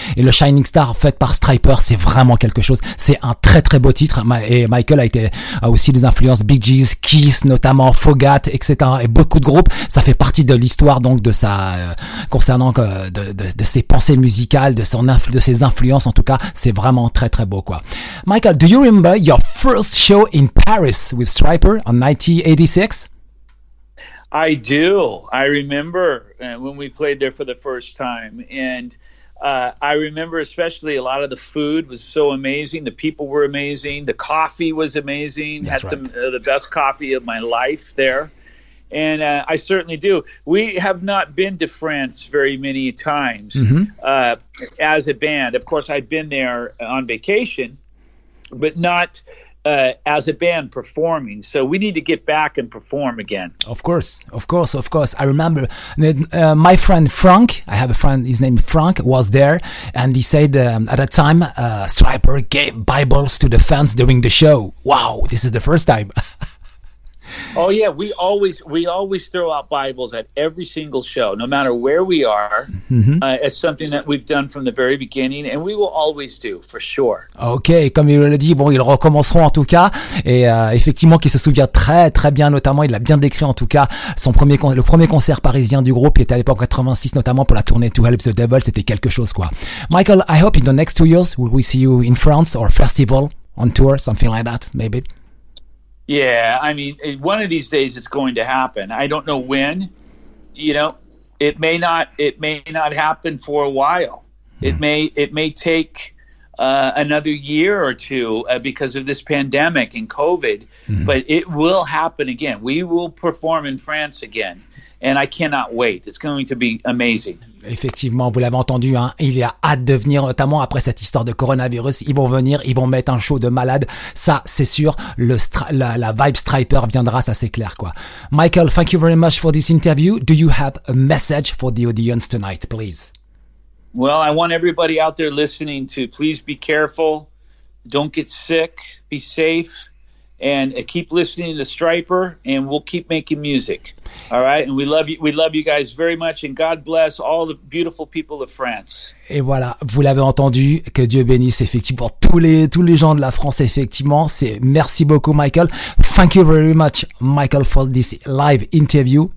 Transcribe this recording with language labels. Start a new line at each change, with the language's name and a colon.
French: Et le Shining Star, fait par Stryper, c'est vraiment quelque chose. C'est un très, très beau titre. Et Michael a aussi des influences Bee Gees, Kiss, notamment, Foghat, etc. Et beaucoup de groupes. Ça fait partie de l'histoire, donc, de sa concernant de ses pensées musicales, de ses influences. En tout cas, c'est vraiment très très beau, quoi.
English: Michael, do you remember your first show in Paris with Stryper in 1986? I do. I remember when we played there for the first time, and I remember especially a lot of the food was so amazing. The people were amazing. The coffee was amazing. That's Had right. some of the best coffee of my life there. And I certainly do. We have not been to France very many times as a band. Of course, I've been there on vacation, but not as a band performing. So we need to get back and perform again. Of course, of course, of course. I remember my friend Frank, I have a friend, his name Frank, was there. And he said at that time, Stryper gave Bibles to the fans during the show. Wow, this is the first time. Oh yeah, we always throw out Bibles at every single show, no matter where we are. It's something that we've done from the very beginning, and we will always do, for sure.
French: Ok, comme il l'a dit, bon, ils recommenceront en tout cas, et effectivement, qu'il se souvient très très bien, notamment, il l'a bien décrit en tout cas, le premier concert parisien du groupe, qui était à l'époque 86, notamment pour la tournée To Help the Devil, c'était quelque chose quoi.
English: Michael, I hope in the next 2 years, will we see you in France, or festival, on tour, something like that, maybe? Yeah, I mean, one of these days it's going to happen. I don't know when, you know. It may not happen for a while. It may take another year or two because of this pandemic and COVID. Mm-hmm. But it will happen again. We will perform in France again. And I cannot wait. It's going to be amazing.
French: Effectivement, vous l'avez entendu, hein, il y a hâte de venir, notamment après cette histoire de coronavirus. Ils vont venir, ils vont mettre un show de malade. Ça, c'est sûr. La vibe Stryper viendra, ça c'est clair, quoi.
English: Michael, thank you very much for this interview. Do you have a message for the audience tonight, please? Well, I want everybody out there listening to please be careful. Don't get sick. Be safe. And keep listening to Stryper, and we'll keep making music. All right? And we love you guys very much, and God bless all the beautiful people of France.
French: Et voilà, vous l'avez entendu, que Dieu bénisse effectivement tous les gens de la France, effectivement. C'est merci beaucoup, Michael.
English: Thank you very much, Michael, for this live interview.